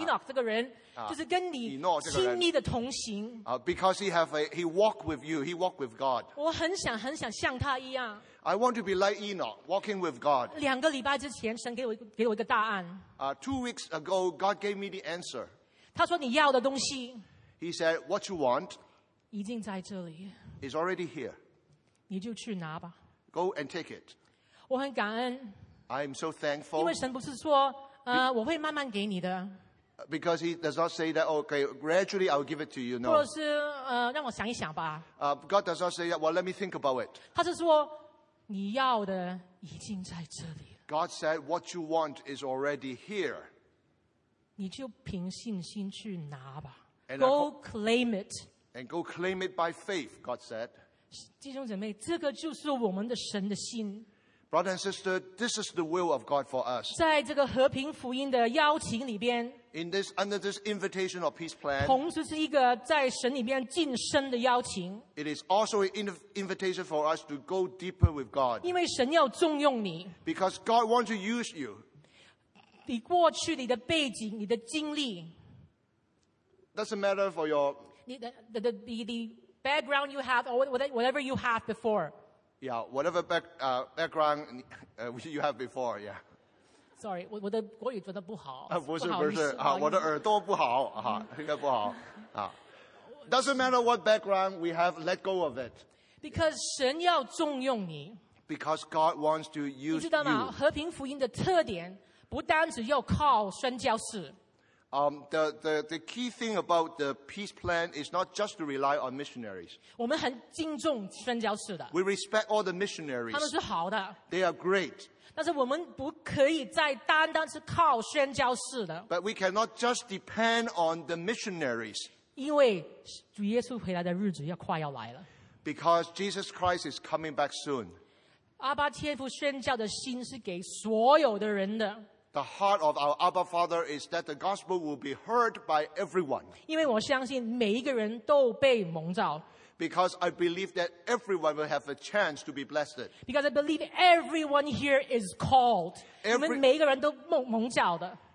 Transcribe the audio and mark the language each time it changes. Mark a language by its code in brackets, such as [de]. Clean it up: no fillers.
[zh] 这个人就是跟你亲密的同行。 [en] Because he walked with you, he walked with God. [zh] 我很想像他一样。 [en] I want to be like Enoch, walking with God. [zh] 两个礼拜之前，神给我一个答案。 [en] Two weeks ago, God gave me the answer. [zh] 他说你要的东西。 [en] He said, "What you want? [zh] 已经在这里。 [en] It's already here. [zh] 你就去拿吧。 [en] Go and take it." [zh] 我很感恩 [en] I'm so thankful. [zh] 因为神不是说我会慢慢给你的 [en] Because he does not say that, okay, gradually I'll give it to you, no. [zh] 或者是让我想一想吧 [en] God does not say that, well, let me think about it. [zh] 他是说你要的已经在这里了 [en] God said, what you want is already here. [zh] 你就凭信心去拿吧 [en] Go claim it. And go claim it by faith, God said. [zh] 弟兄姊妹，这个就是我们的神的心。 [en] Brother and sister, this is the will of God for us. [zh] 在这个和平福音的邀请里边 [en] under this invitation of peace plan, [zh] 同时是一个在神里边晋升的邀请 [en] it is also an invitation for us to go deeper with God. [zh] 因为神要重用你 [en] because God wants to use you. [zh] 你过去你的背景，你的经历， [en] Doesn't matter for your the background you have or whatever you have before. Yeah, whatever background you have before, yeah. Sorry, [zh] 我的国语真的不好。不是，我的耳朵不好，应该不好。 [en] Doesn't matter what background we have, let go of it. [zh] Because 神要重用你。 [en] Because God wants to use you. [zh] 你知道吗? 和平福音的特点不单只要靠宣教士。 [en] The key thing about the peace plan is not just to rely on missionaries. [zh] 我们很敬重宣教士的。 [en] We respect all the missionaries. [zh] 他们是好的。 [en] They are great. [zh] 但是我们不可以再单单是靠宣教士的。 [en] But we cannot just depend on the missionaries. [zh] 因为主耶稣回来的日子要快要来了。 [en] Because Jesus Christ is coming back soon. [zh] 阿爸天父宣教的心是给所有的人的。 [en] The heart of our Abba Father is that the gospel will be heard by everyone. [zh] 因为我相信每一个人都被蒙召。 [en] Because I believe that everyone will have a chance to be blessed. Because I believe everyone here is called. [zh] 你们每一个人都蒙召的。